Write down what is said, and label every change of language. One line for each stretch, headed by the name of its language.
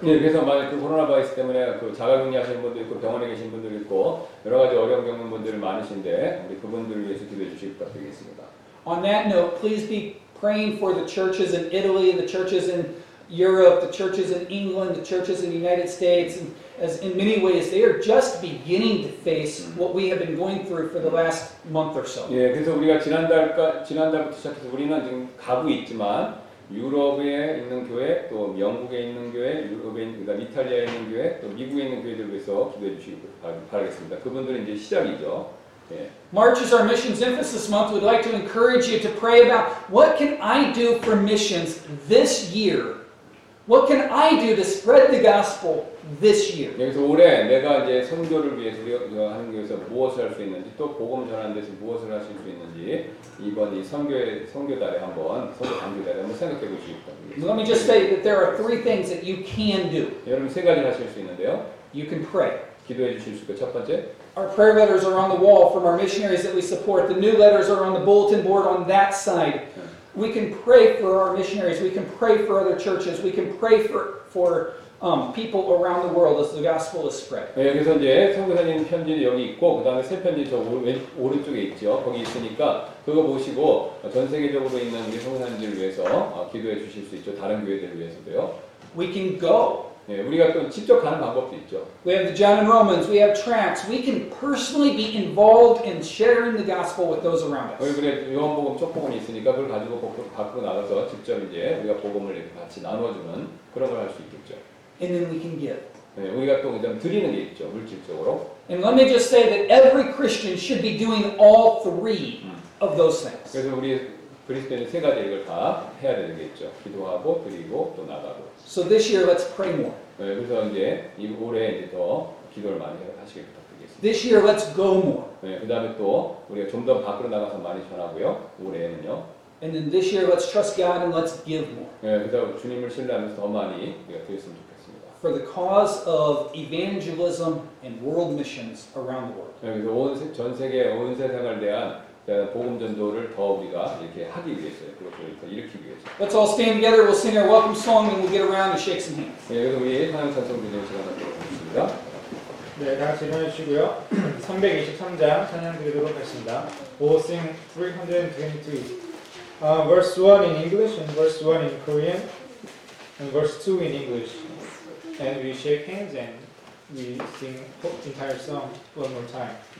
Korean: 네, 그래서 만약 그 코로나 바이러스 때문에 그 자가격리 하시는 분도 있고 병원에 계신 분들 있고 여러 가지 어려운 겪는 분들 많으신데 우리 그분들을 위해서 기도해 주시기 부탁드리겠습니다.
English: On that note, please be praying for the churches in Italy, the churches in Europe, the churches in England, the churches in the United States, and as in many ways, they are just beginning to face what we have been going through for the last month or so.
Korean: 예, 그래서 우리가 지난달부터 시작해서 우리는 지금 가고 있지만 유럽에 있는 교회, 또 영국에 있는 교회, 유럽에 그다음 이탈리아에 있는 교회, 또 미국에 있는 교회들 위해서 기도해 주시기 바라겠습니다. 그분들은 이제 시작이죠.
English: March is our missions emphasis month. We'd like to encourage you to pray about what can I do for missions this year. What can I do to spread the gospel this year?
Korean: 그래서 올해 내가 이제 선교를 위해서 하는 것에서 무엇을 할 수 있는지 또 복음 전하는 데서 무엇을 하실 수 있는지 이번 이 선교달에 한번 선교 단기달에 한번 생각해 보시기 바랍니다.
English: Let me just say that there are three things that you can do.
Korean: 여러분 세 가지를 하실 수 있는데요.
English: You can pray.
Korean: 기도해 주실 수 있고 첫 번째.
English: Our prayer letters are on the wall from our missionaries that we support. The new letters are on the bulletin board on that side. We can pray for our missionaries. We can pray for other churches. We can pray for people around the world as the gospel is spread.
Korean: 네, 그래서 이제 선교사님 편지 여기 있고 그 다음에 새 편지 저 오른쪽에 있죠. 거기 있으니까 그거 보시고 전 세계적으로 있는 우리 선교사님들 위해서 기도해 주실 수 있죠. 다른 교회들 위해서도요.
English: We can go.
Korean: 예, 우리가 또 직접 가는 방법도 있죠.
English: We have the John and Romans, we have tracts. We can personally be involved in sharing the gospel with those around us.
Korean: 우리 요한복음 쪽복음이 있으니까 그걸 가지고 갖고 나가서 직접 이제 우리가 복음을 같이 나눠주는 그런 걸 할 수 있겠죠.
English: And then we can give.
Korean: 예, 우리가 또 그냥 드리는 게 있죠, 물질적으로.
English: And let me just say that every Christian should be doing all three of those things.
Korean: 그래서 우리 그리스도인 세 가지 이걸 다 해야 되는 게 있죠. 기도하고 드리고 또 나가고.
English: So this year, let's pray more.
Korean: 네, 그래서 이제 올해 이제 더 기도를 많이 하시길 부탁드리겠습니다.
English: This year, let's go more.
Korean: 네, 그 다음에 또 우리가 좀 더 밖으로 나가서 많이 전하고요. 올해에는요.
English: And then this year, let's trust God and let's give more.
Korean: 네, 그 다음에 주님을 신뢰하면서 더 많이 우리가 드렸으면 좋겠습니다.
English: For the cause of evangelism and world missions around the world.
Korean: 네, 그래서 전 세계, 온 세상을 대한 복음 전도를 더 우리가 이렇게 하기 위해서요. 그것을 더 일으키기 위해서.
English: Let's all stand together. We'll sing our welcome song and we'll get around and shake some hands.
Korean: 네, 여러분 우리 하나님 찬송 드리는 시간 갖도록 하겠습니다. 네, 다 같이 일어나 주시고요. 323장 찬양 드리도록 하겠습니다.
English: We'll sing 322. Verse 1 in English and verse 1 in Korean and verse 2 in English. And we shake hands and we sing the entire song one more time.